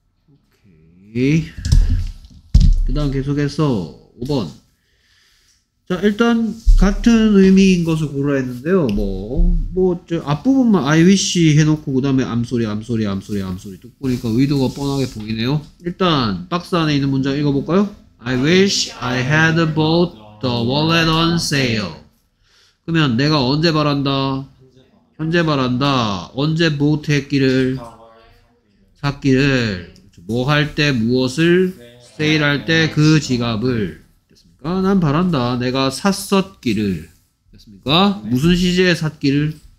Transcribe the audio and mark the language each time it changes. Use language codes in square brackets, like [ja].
[ko] 오케이. 그 다음 계속해서 5번. 자, 일단 같은 의미인 것을 고르라 했는데요. 뭐 앞부분만 I wish 해놓고 그 다음에 암소리 뚝 보니까 의도가 뻔하게 보이네요. 일단 박스 안에 있는 문장 읽어볼까요? [en] I wish I had bought the wallet on sale. [ko] 그러면 내가 언제 바란다? 현재 바란다. 언제 bought 했기를? 샀기를. 뭐 할 때 무엇을? 세일할 때 그 지갑을. 됐습니까? 난 바란다. 내가 샀었기를. 됐습니까? 네. 무슨 시제에 샀기를?